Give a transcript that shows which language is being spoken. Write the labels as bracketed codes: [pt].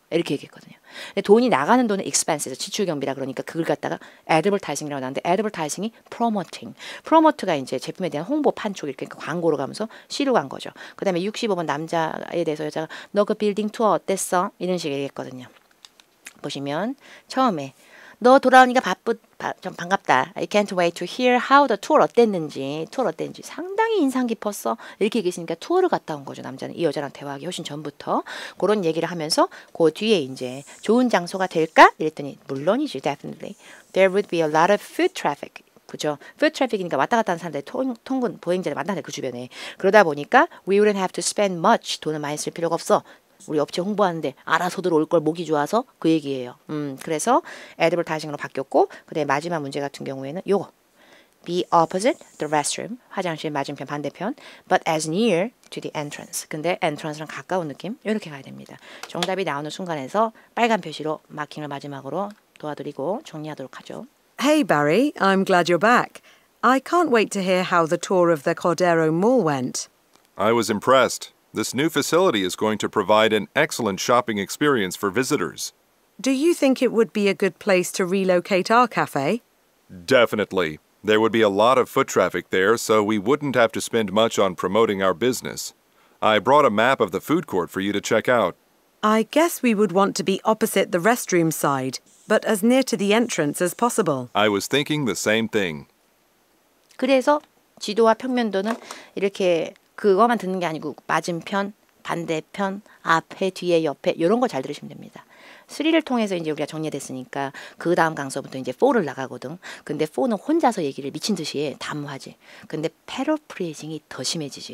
[ko] 이렇게 얘기했거든요. 근데 돈이 나가는 돈은 expenses, 지출 경비라 그러니까 그걸 갖다가 advertising이라고 하는데 advertising이 promoting. promote가 이제 제품에 대한 홍보 판촉 이렇게 그러니까 광고로 가면서 시로 간 거죠. 그 다음에 65번 남자에 대해서 여자가 너 그 빌딩 투어 어땠어? 이런 식으로 얘기했거든요. 보시면 처음에 너 돌아오니까 좀 반갑다. [en] I can't wait to hear how the tour [ko] 어땠는지. 투어 어땠는지. 상당히 인상 깊었어. 이렇게 얘기했으니까 투어를 갔다 온 거죠. 남자는 이 여자랑 대화하기 훨씬 전부터. 그런 얘기를 하면서 그 뒤에 이제 좋은 장소가 될까? 이랬더니 물론이지. [en] Definitely. There would be a lot of foot traffic. [ko] 그죠? Foot traffic이니까 왔다 갔다 하는 사람들 통근 보행자들 만나는 그 주변에. 그러다 보니까 [en] we wouldn't have to spend much. [ko] 돈을 많이 쓸 필요가 없어. 우리 업체 홍보하는데 알아서 들어올 걸 목이 좋아서 그 얘기예요. 그래서 advertising으로 바뀌었고 그다음에 마지막 문제 같은 경우에는 요거 [en] be opposite the restroom [ko] 화장실 맞은편 반대편 [en] but as near to the entrance [ko] 근데 entrance랑 가까운 느낌 이렇게 가야 됩니다. 정답이 나오는 순간에서 빨간 표시로 마킹을 마지막으로 도와드리고 정리하도록 하죠. [en] Hey Barry, I'm glad you're back. I can't wait to hear how the tour of the Cordero Mall went. I was impressed. This new facility is going to provide an excellent shopping experience for visitors. Do you think it would be a good place to relocate our cafe? Definitely. There would be a lot of foot traffic there, so we wouldn't have to spend much on promoting our business. I brought a map of the food court for you to check out. I guess we would want to be opposite the restroom side, but as near to the entrance as possible. I was thinking the same thing. [ko] 그래서 지도와 평면도는 이렇게 그거만 듣는 게 아니고 맞은편, 반대편, 앞에, 뒤에, 옆에 이런 거 잘 들으시면 됩니다. 3를 통해서 이제 우리가 정리됐으니까 그 다음 강서부터 이제 4를 나가거든. 근데 4는 혼자서 얘기를 미친 듯이 담화지. 근데 패러프레이징이 더 심해지지.